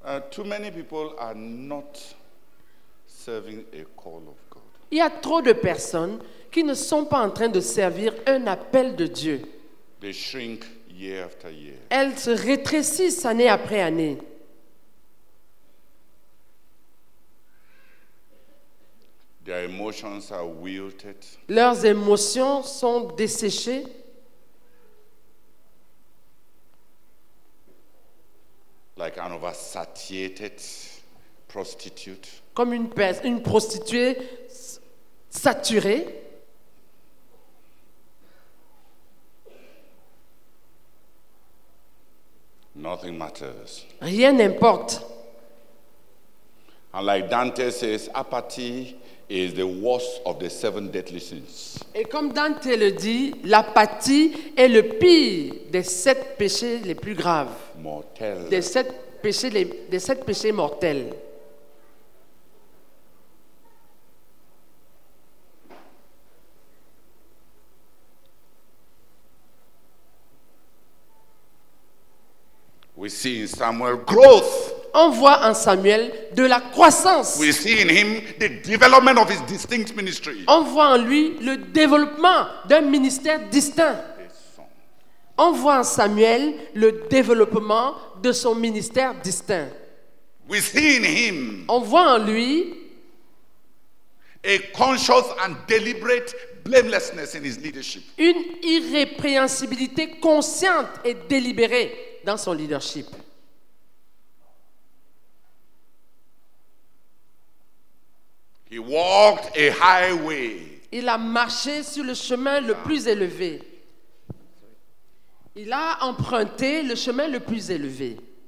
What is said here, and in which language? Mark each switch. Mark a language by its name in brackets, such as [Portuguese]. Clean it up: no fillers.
[English] Too many people are not serving a call of God. [French] Il y a trop de personnes qui ne sont pas en train de servir un appel de Dieu. [English] They shrink. Year after year. [French] Elles se rétrécissent année après année. [English] Their emotions are wilted. [French] Leurs émotions sont desséchées. [English] Like an oversatiated prostitute. [French] Comme une prostituée saturée. [English] Nothing matters. [French] Rien n'importe. [English] And like Dante says, apathy is the worst of the seven deadly sins. [French] Et comme Dante le dit, l'apathie est le pire des sept péchés les plus graves. Mortels. Des sept péchés mortels. [English] We see in Samuel growth. [French] On voit en Samuel de la croissance. [English] We see in him the development of his distinct ministry. [French] On voit en lui le développement d'un ministère distinct. On voit en Samuel le développement de son ministère distinct. [English] We see in him. [French] On voit en lui [English] a conscious and deliberate blamelessness in his leadership. [French] Une irrépréhensibilité consciente et délibérée dans son leadership. [English] He walked a highway. [French] Il a marché sur le chemin le plus élevé. Il a emprunté le chemin le plus élevé.